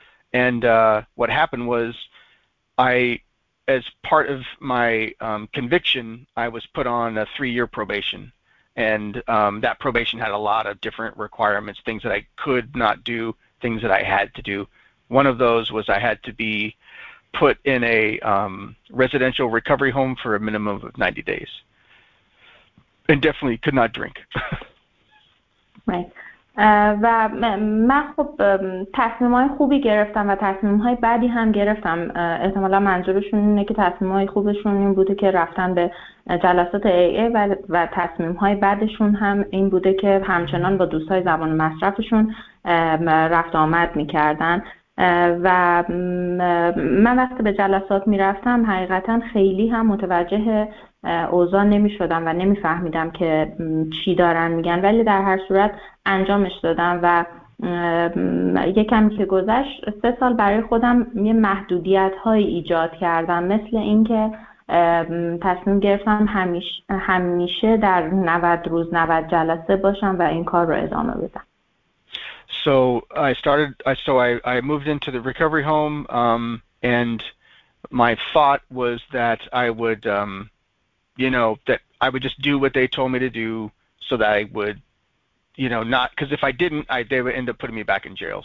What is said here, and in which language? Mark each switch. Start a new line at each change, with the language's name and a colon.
English: What happened was as part of my conviction, I was put on a 3-year probation, and that probation had a lot of different requirements, things that I could not do, things that I had to do. One of those was I had to be put in a residential recovery home for a minimum of 90 days, and definitely could not drink. Right.
Persian: و من خب تصمیم‌های خوبی گرفتم و تصمیم‌های بعدی هم گرفتم. احتمالا منظورشون اینه که تصمیم‌های خوبشون این بوده که رفتن به جلسات AA و تصمیم‌های بعدشون هم این بوده که همچنان با دوستای زبان مصرفشون رفت آمد می‌کردن. و من وقتی به جلسات می‌رفتم حقیقتاً خیلی هم متوجه اوضاع نمی شدم و نمی فهمیدم که چی دارن میگن، ولی در هر صورت انجامش دادم. و یکم که گذشت، 3 سال برای خودم یه محدودیت های ایجاد کردم، مثل اینکه تصمیم گرفتم همیشه در 90 روز 90 جلسه باشم و این کار رو ادامه بدم.
English: So I moved into the recovery home and my thought was that I would you know, that I would just do what they told me to do so that I would, you know, not, because if I didn't, they would end up putting me back in jail.